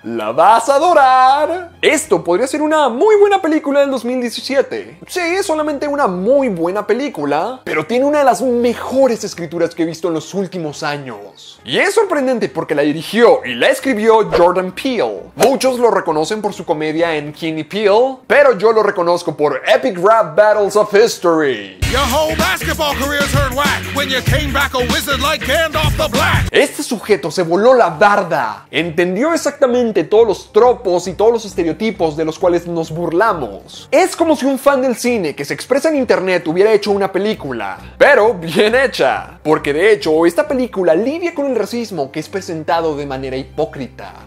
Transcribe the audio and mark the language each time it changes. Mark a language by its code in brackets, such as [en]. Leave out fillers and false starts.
[es] ¡La vas a adorar! Esto podría ser una muy buena película del 2017. Sí, es solamente una muy buena película, pero tiene una de las mejores escrituras que he visto en los últimos años. Y es sorprendente porque la dirigió y la escribió Jordan Peele. Muchos lo reconocen por su comedia en Key & Peele, pero yo lo reconozco por Epic Rap Battles of History. [en] Your whole basketball career is hurt whack when you came back a wizard like Gandalf the Black. [es] Este sujeto se voló la barda. Entendió exactamente todos los tropos y todos los estereotipos de los cuales nos burlamos. Es como si un fan del cine que se expresa en internet hubiera hecho una película, pero bien hecha. Porque de hecho, esta película lidia con el racismo que es presentado de manera hipócrita.